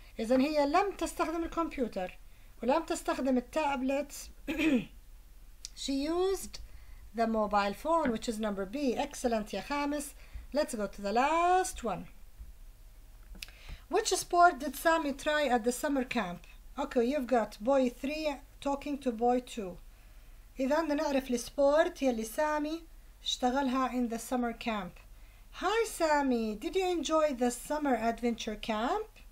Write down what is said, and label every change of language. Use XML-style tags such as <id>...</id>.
<ar>إذن هي لم تستخدم الكمبيوتر ولم تستخدم التابلت.</ar> <en>She used the mobile phone, which is number B. Excellent, يا خامس. Let's go to the last one. Which sport did Sammy try at the summer camp? Okay, you've got boy 3 talking to boy 2.</en> <ar>إذا بدنا نعرف السبورت يلي سامي اشتغلها</ar> <en>in the summer camp. Hi Sammy, did you enjoy the summer adventure camp?</en>